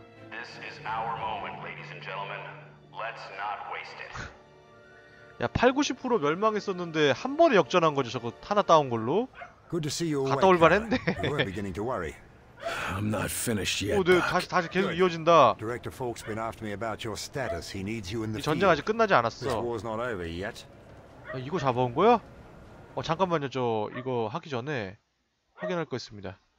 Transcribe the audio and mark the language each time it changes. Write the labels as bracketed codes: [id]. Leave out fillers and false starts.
[en] This is our moment, ladies and gentlemen. Let's not waste it. [ko] 야, 80-90% 멸망했었는데 한 번에 역전한 거지, 저거 하나 따온 걸로. [en] Good to see you. [ko] 갔다 올 바랬는데. [en] We're beginning to worry. I'm not finished yet. [ko] 오, 네, 다시 계속 이어진다. [en] Director Folks been after me about your status. He needs you in the. [ko] 이 전쟁 아직 끝나지 않았어. [en] This war's not over yet. [ko] 아, 이거 잡아온 거야? 어, 잠깐만요, 저 이거 하기 전에 확인할 거 있습니다.